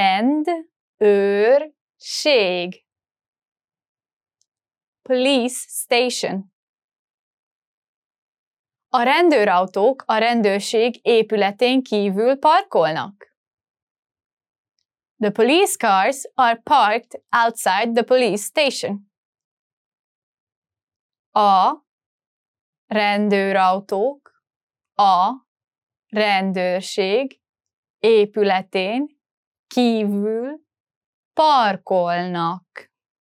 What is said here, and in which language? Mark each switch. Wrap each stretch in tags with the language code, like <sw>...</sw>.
<hu>Rendőrség.</hu> <en>Police station.</en> <hu>A rendőrautók a rendőrség épületén kívül parkolnak.</hu> <en>The police cars are parked outside the police station.</en> <hu>A rendőrautók a rendőrség épületén kívül parkolnak.</hu>